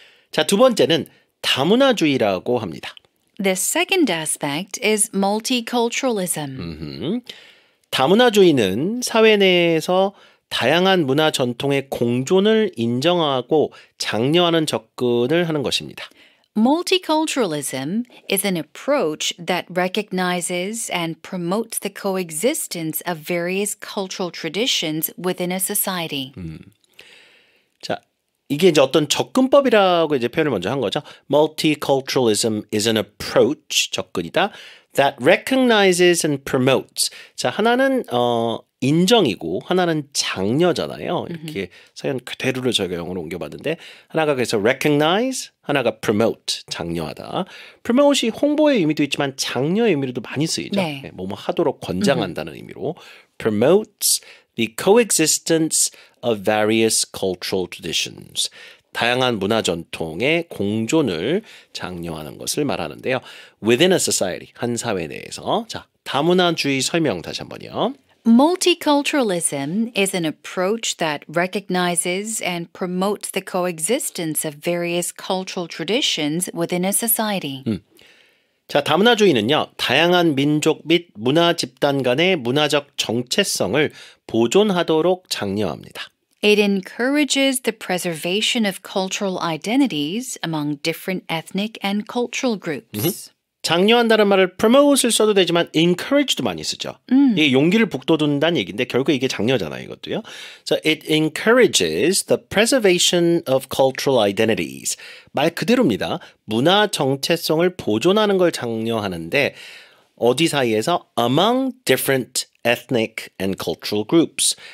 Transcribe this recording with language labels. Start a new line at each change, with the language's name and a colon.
Korean: 자, 두 번째는 다문화주의라고 합니다.
English: The second aspect is multiculturalism.
Korean: 다문화주의는 사회 내에서 다양한 문화 전통의 공존을 인정하고 장려하는 접근을 하는 것입니다.
English: Multiculturalism is an approach that recognizes and promotes the coexistence of various cultural traditions within a society.
Korean: 자, 이게 이제 어떤 접근법이라고 이제 표현을 먼저 한 거죠.
English: Multiculturalism is an approach,
Korean: 접근이다.
English: That recognizes and promotes.
Korean: 자, 하나는 인정이고 하나는 장려잖아요. 이렇게 사연 그대로를 저희가 영어로 옮겨봤는데 하나가 그래서 recognize, 하나가 promote, 장려하다. promote이 홍보의 의미도 있지만 장려의 의미로도 많이 쓰이죠. 네. 뭐뭐 하도록 권장한다는 의미로.
English: promotes the coexistence of various cultural traditions.
Korean: 다양한 문화 전통의 공존을 장려하는 것을 말하는데요.
English: within a society,
Korean: 한 사회 내에서. 자, 다문화주의 설명 다시 한번요.
English: Multiculturalism is an approach that recognizes and promotes the coexistence of various cultural traditions within a society.
Korean: 자, 다문화주의는요, 다양한 민족 및 문화 집단 간의 문화적 정체성을 보존하도록 장려합니다.
English: It encourages the preservation of cultural identities among different ethnic and cultural groups.
Korean: 장려한다는 말을 promote을 써도 되지만 encourage도 많이 쓰죠. 이게 용기를 북돋운다는 얘기인데 결국 이게 장려잖아요, 이것도요.
English: So it encourages the preservation of cultural identities.
Korean: 말 그대로입니다. 문화 정체성을 보존하는 걸 장려하는데 어디 사이에서
English: among different ethnic and cultural groups.